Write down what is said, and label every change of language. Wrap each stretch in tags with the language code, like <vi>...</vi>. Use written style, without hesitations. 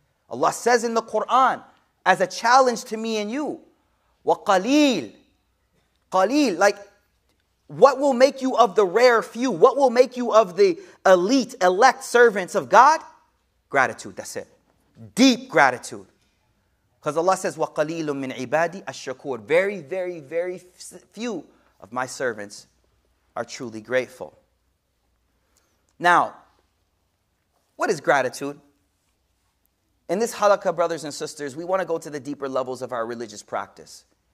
<en>Allah says in the Quran, as a challenge to me and you,</en> <ar>وَقَلِيلٌ,</ar> <en>like, what will make you of the rare few? What will make you of the elite, elect servants of God? Gratitude, that's it. Deep gratitude. Because Allah says,</en> <ar>وَقَلِيلٌ مِّنْ عِبَادِيَ الشَّكُورِ.</ar> <en>Very, very, very few of my servants are truly grateful. Now, what is gratitude? In this halakha, brothers and sisters, we want to go to the deeper levels of our religious practice.</en>